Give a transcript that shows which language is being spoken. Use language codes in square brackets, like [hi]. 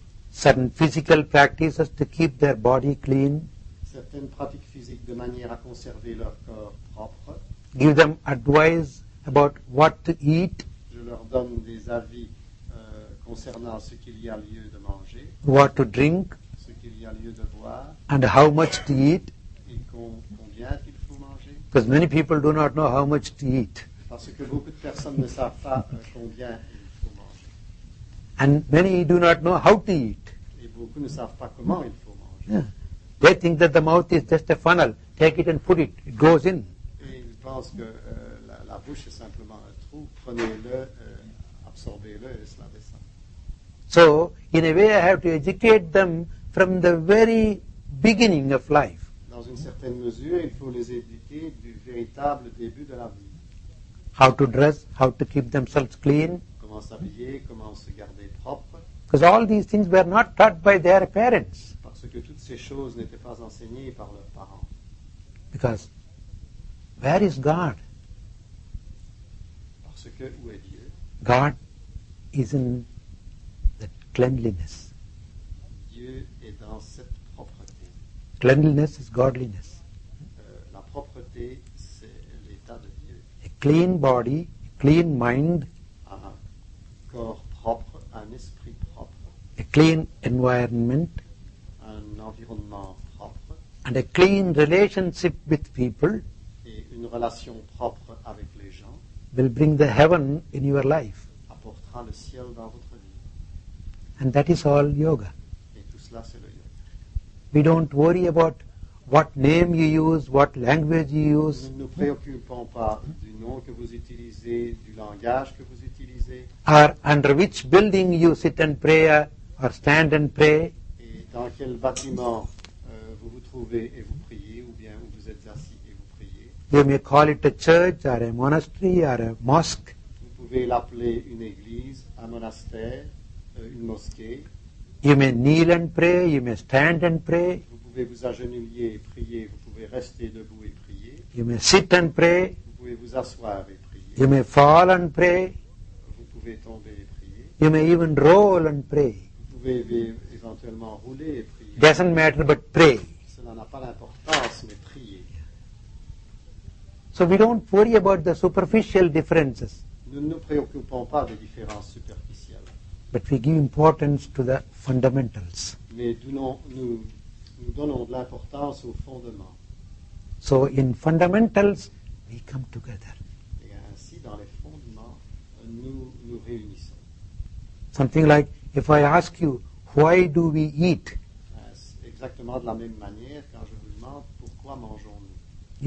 [en] certain physical practices to keep their body clean. [fr] Certaines pratiques physiques de manière à conserver leur corps propre. [en] Give them advice about what to eat. [fr] Je leur donne des avis concernant ce qu'il y a lieu de manger. [en] What to drink. [fr] Ce qu'il y a lieu de boire. [en] And how much to eat. [fr] Et combien il faut manger. [en] Because many people do not know how much to eat. [fr] Parce que beaucoup de personnes ne savent pas combien il faut manger. [en] And many do not know how to eat. [fr] Et beaucoup ne savent pas comment il faut manger. [en] Yeah. They think that the mouth is just a funnel. Take it and put it. It goes in. [fr] Ils pensent que la bouche est simplement un trou. Prenez-le, absorbez-le et cela descend. [en] So, in a way, I have to educate them from the very beginning of life. [fr] Dans une certaine mesure, il faut les éduquer du véritable début de la vie. [en] How to dress, how to keep themselves clean. [fr] Comment s'habiller, comment se garder propre. [en] Because all these things were not taught by their parents. [fr] Parce que toutes ces choses n'étaient pas enseignées par leurs parents. [en] Because where is God? [fr] Parce que où est Dieu? [en] God is in the cleanliness. [fr] Dieu est dans cette propreté. [en] Cleanliness is godliness. [fr] La propreté, c'est l'état de Dieu. [en] A clean body, a clean mind. [fr] Un corps propre, un esprit propre. [en] A clean environment. [fr] Environnement propre, [en] and a clean relationship with people, [fr] et une relation propre avec les gens, [en] will bring the heaven in your life. [fr] Apportera le ciel dans votre vie. [en] And that is all yoga. [fr] Et tout cela, c'est le yoga. [en] We don't worry about what name you use, what language you use. [fr] Nous ne nous préoccupons pas du nom que vous utilisez, du langage que vous utilisez. [en] Or under which building you sit and pray, or stand and pray. [fr] Dans quel bâtiment vous vous trouvez et vous priez, ou bien où vous êtes assis et vous priez. [en] You may call it a church, or a monastery, or a mosque. [fr] Vous pouvez l'appeler une église, un monastère, une mosquée. [en] You may kneel and pray, you may stand and pray. [fr] Vous pouvez vous agenouiller et prier, vous pouvez rester debout et prier. [en] You may sit and pray. [fr] Vous pouvez vous asseoir et prier. [en] You may fall and pray. [fr] Vous pouvez tomber et prier. [en] You may even roll and pray. [fr] Vous pouvez éventuellement rouler et prier. [en] Doesn't matter, but pray. [fr] Cela n'a pas d'importance, mais prier. [en] So we don't worry about the superficial differences. [fr] Nous ne nous préoccupons pas des différences superficielles. [en] But we give importance to the fundamentals. [fr] Mais nous donnons de l'importance aux fondements. [en] So in fundamentals, we come together. [fr] Et ainsi, dans les fondements, nous réunissons. [en] Something like, if I ask you, why do we eat? [fr] exactement de la même manière quand je vous demande pourquoi mangeons-nous.